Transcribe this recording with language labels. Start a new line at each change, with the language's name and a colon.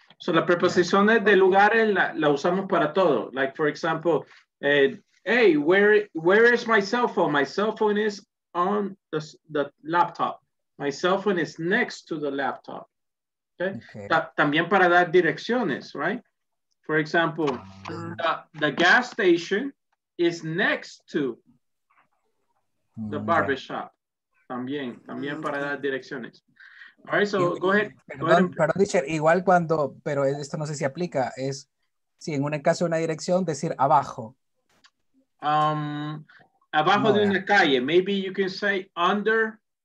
Spanish: So la preposición de lugares la usamos para todo.
English: Like for example, hey, where is my cell phone? My cell phone is on the laptop. My cell phone is next to the laptop. Okay.
Spanish: También para dar direcciones,
English: right? For example, the gas station is next to the barbershop.
Spanish: También para dar direcciones.
English: All right, so go ahead.
Spanish: Teacher, igual cuando, pero esto no sé si aplica, es, si en un caso una dirección, decir abajo. Abajo de una calle,
English: maybe you can say under.